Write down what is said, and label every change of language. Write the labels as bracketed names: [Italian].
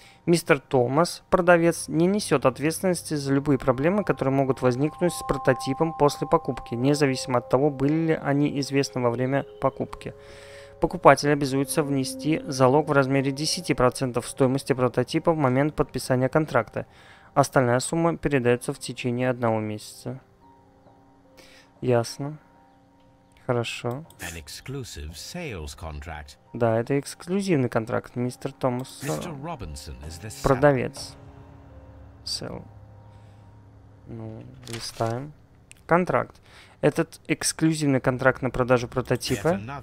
[Russian] Мистер Томас, продавец, не несет ответственности за любые проблемы, которые могут возникнуть с прототипом после покупки, независимо от того, были ли они известны во время покупки. Покупатель обязуется внести залог в размере 10% стоимости прототипа в момент подписания контракта. Остальная сумма передается в течение одного месяца. Ясно. Хорошо. [English] An exclusive sales contract. [Russian] Да, это эксклюзивный контракт, мистер Томас. Продавец. Sell. Ну, листаем. Контракт. Этот эксклюзивный контракт на продажу прототипа.